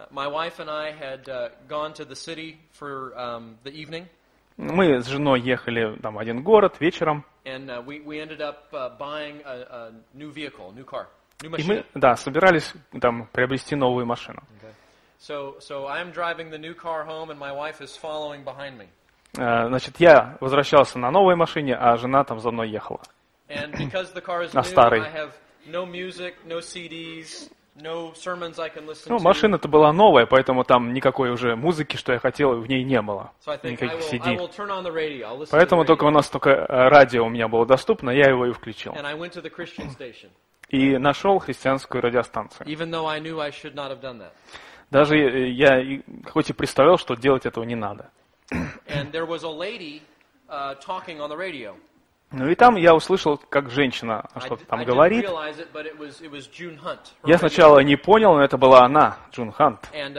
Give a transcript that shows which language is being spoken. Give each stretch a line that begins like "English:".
English: My wife and I had gone to the city for the evening.
Russian: Мы с женой ехали там в один город вечером.
English: And we ended up buying a new vehicle, new car, new machine.
Russian: И мы, да, собирались там приобрести новую машину.
English: So I'm driving the new car home, and my wife is following behind me.
Russian: Значит, я возвращался на новой машине, а жена там за мной ехала.
English: And because the car is new, I have no music, no CDs. No sermons I can listen to.
Russian: Ну, машина-то была новая, поэтому там никакой уже музыки, что я хотел, в ней не было. Никаких CD. Поэтому только у нас только радио у меня было доступно, я его и включил.
English: And I went to the Christian station.
Russian: И нашел христианскую радиостанцию.
English: Even though I knew I should not have done that.
Russian: Даже я хоть и представлял, что делать этого не надо.
English: And there was a lady talking on the radio.
Russian: Ну и там я услышал, как женщина что-то там говорит.
English: It was June Hunt,
Russian: я сначала не понял, но это была она, Джун Хант.